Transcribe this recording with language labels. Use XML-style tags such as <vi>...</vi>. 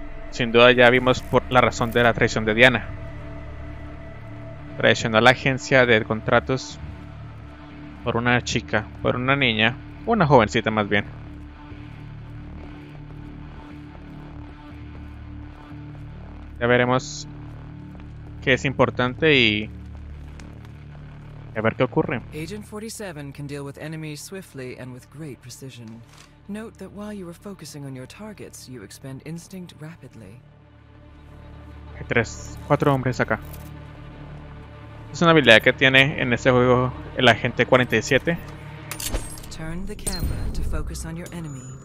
<es>Sin duda ya vimos por la razón de la traición de Diana. Traicionó a la agencia de contratos por una chica, por una niña, una jovencita más bien. Ya veremos qué es importante y a ver qué ocurre.</es> <en>Agent 47 can deal with enemies swiftly and with great precision. Note that while you are focusing on your targets, you expend instinct rapidly.</en> <es>Hay 3-4 hombres acá. Es una habilidad que tiene en este juego el agente 47.</es> <en>Turn the camera to focus on your enemy.</en>